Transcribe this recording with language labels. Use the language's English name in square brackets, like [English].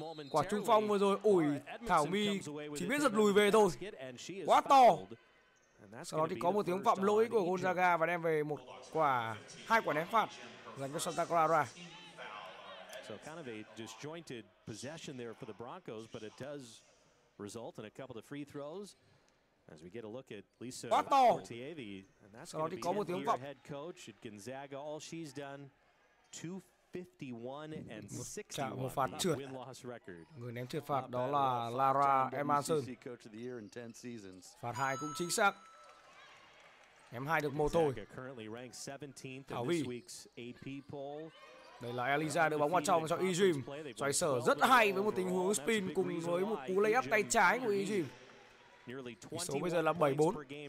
[Vietnamese] Quả trung phong vừa rồi ủi Thảo My. Chỉ biết giật lùi về thôi. Quá to. Sau đó thì có một tiếng phạm lỗi của Gonzaga và đem về một quả, hai quả ném phạt dành cho Santa Clara. [English] So kind of a disjointed possession there for the Broncos, but it does result in a couple of free throws. As we get a look at Lisa Fortievi, and that's going to be her head coach at Gonzaga. All she's done, 251-61 win-loss record. [Vietnamese] Người ném trượt phạt đó là Lara Emerson. [English] Coach of the year in 10 seasons. [Vietnamese] Phạt hai cũng chính xác. Ném hai được một thôi. [English] Currently ranked 17th in this week's AP poll. [Vietnamese] Đây là Eliza đưa bóng vào trong cho Ejim. Xoay sở rất hay với một tình huống spin cùng với một cú layup tay trái của Ejim. Tỷ số bây giờ là 7-4.